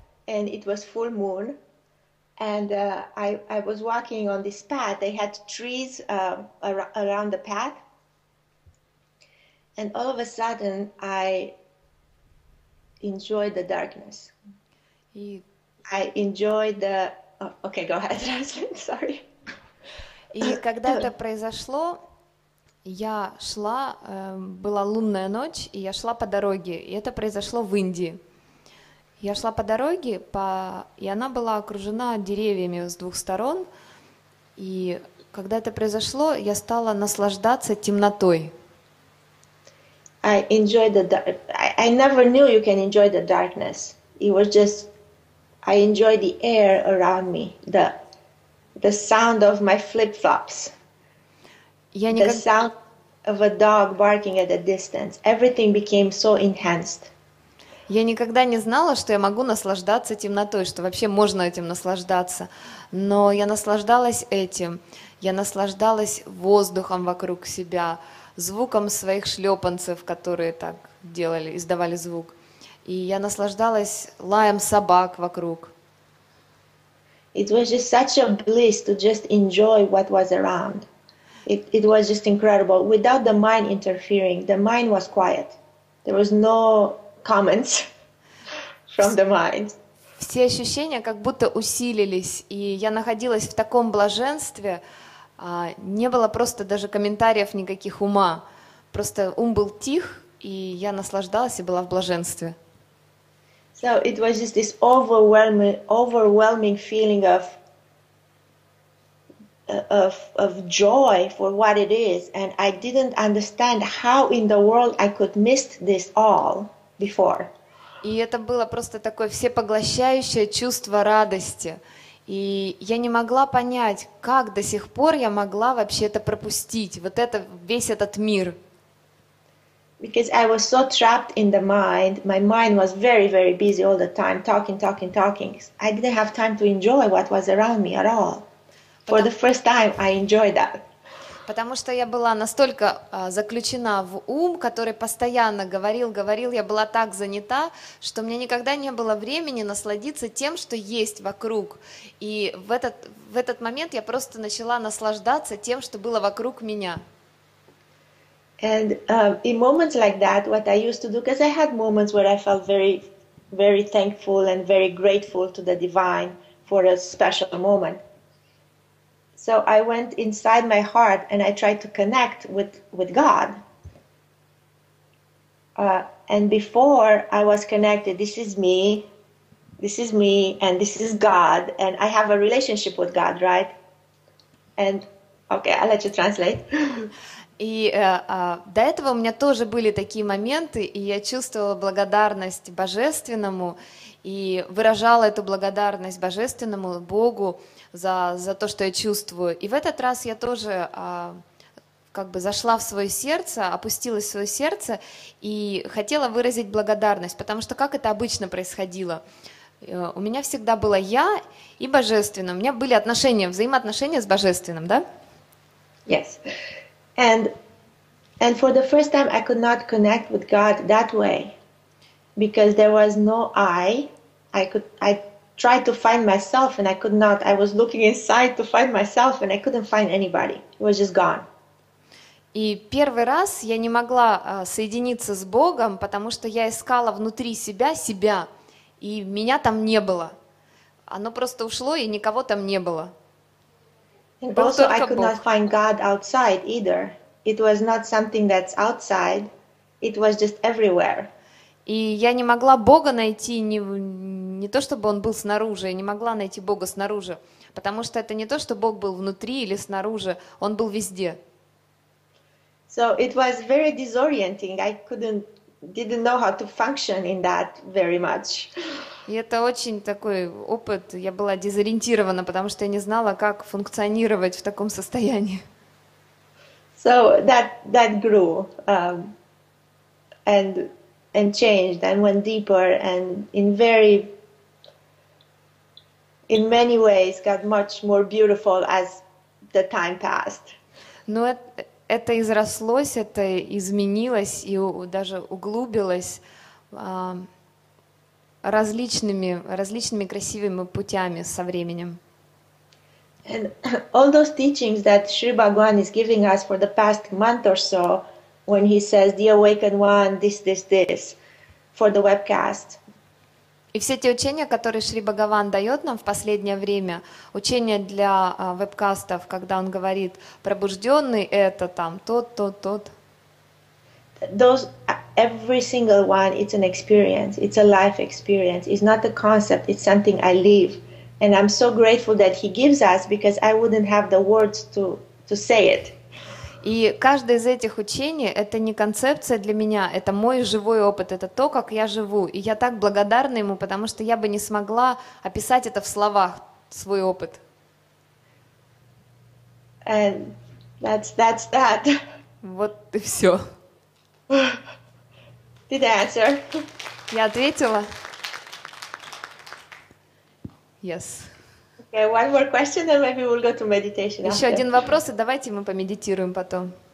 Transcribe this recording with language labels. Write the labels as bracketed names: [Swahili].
[English] and it was full moon, and I was walking on this path. They had trees around the path, and all of a sudden I enjoyed the darkness. I enjoyed the okay, go ahead, Jasmine, sorry. [Russian] И когда это произошло, я шла, была лунная ночь, и я шла по дороге, и это произошло в Индии. Я шла по дороге, и она была окружена деревьями с двух сторон, и когда это произошло, я стала наслаждаться темнотой. [English] I enjoyed the dark. I never knew you can enjoy the darkness. It was just, I enjoyed the air around me, the sound of my flip-flops, the sound of a dog barking at a distance. Everything became so enhanced. [Russian] Я никогда не знала, что я могу наслаждаться темнотой, что вообще можно этим наслаждаться. Но я наслаждалась этим. Я наслаждалась воздухом вокруг себя, звуком своих шлепанцев, которые так делали, издавали звук. И я наслаждалась лаем собак вокруг. [English] It was just such a bliss to just enjoy what was around. It was just incredible. Without the mind interfering, the mind was quiet. There was no comments from the mind. [Russian] Все ощущения как будто усилились, и я находилась в таком блаженстве, не было просто даже комментариев никаких ума. Просто ум был тих, и я наслаждалась и была в блаженстве. [English] So it was just this overwhelming feeling of joy for what it is, and I didn't understand how in the world I could miss this all before. [Russian] И это было просто такое всепоглощающее чувство радости, и я не могла понять, как до сих пор я могла вообще это пропустить, вот это весь этот мир. [English] Because I was so trapped in the mind, my mind was very, very busy all the time, talking. I didn't have time to enjoy what was around me at all. For the first time, I enjoyed that. [Russian] Потому что я была настолько заключена в ум, который постоянно говорил, я была так занята, что у меня никогда не было времени насладиться тем, что есть вокруг. И в этот момент я просто начала наслаждаться тем, что было вокруг меня. [English] And in moments like that, what I used to do, because I had moments where I felt very, very thankful and very grateful to the divine for a special moment. So I went inside my heart and I tried to connect with God. And before I was connected, this is me, and this is God, and I have a relationship with God, right? And, okay, I'll let you translate. [Russian] И до этого у меня тоже были такие моменты, и я чувствовала благодарность Божественному и выражала эту благодарность Божественному Богу за то, что я чувствую. И в этот раз я тоже как бы зашла в свое сердце, опустилась в свое сердце и хотела выразить благодарность, потому что как это обычно происходило? У меня всегда было я и Божественное. У меня были отношения, взаимоотношения с Божественным, да? [English] Yes. And for the first time I could not connect with God that way, because there was no I tried to find myself and I could not. I was looking inside to find myself and I couldn't find anybody. It was just gone. [Russian] И первый раз я не могла соединиться с Богом, потому что я искала внутри себя, и меня там не было. Оно просто ушло, и никого там не было. [English] And also, I could not find God outside either. It was not something that's outside. It was just everywhere. [Russian] И я не могла Бога найти, не то чтобы он был снаружи, я не могла найти Бога снаружи, потому что это не то, что Бог был внутри или снаружи, он был везде. [English] So it was very disorienting. I didn't know how to function in that very much. [Russian] И это очень такой опыт, я была дезориентирована, потому что я не знала, как функционировать в таком состоянии. [English] So that grew and changed and went deeper and in many ways got much more beautiful as the time passed. [Russian] Но это израслось, это изменилось и даже углубилось. различными красивыми путями со временем. [English] And all those teachings that Sri Bhagwan is giving us for the past month or so, when he says, "The awakened one, this," for the webcast. [Russian] И все те учения, которые Шри Бхагаван дает нам в последнее время, учения для вебкастов, когда он говорит, пробужденный это там, тот. [English] Those, every single one, it's an experience, it's a life experience, it's not a concept, it's something I live. And I'm so grateful that he gives us, because I wouldn't have the words to say it. [Russian] И каждое из этих учений — это не концепция для меня, это мой живой опыт, это то, как я живу. И я так благодарна ему, потому что я бы не смогла описать это в словах, свой опыт. [English] And that's that. [Russian] Вот и все. [English] Did I answer? [Russian] Я ответила. [English] Yes. Okay, one more question, and maybe we'll go to meditation. [Russian] Еще один вопрос, и давайте мы помедитируем потом.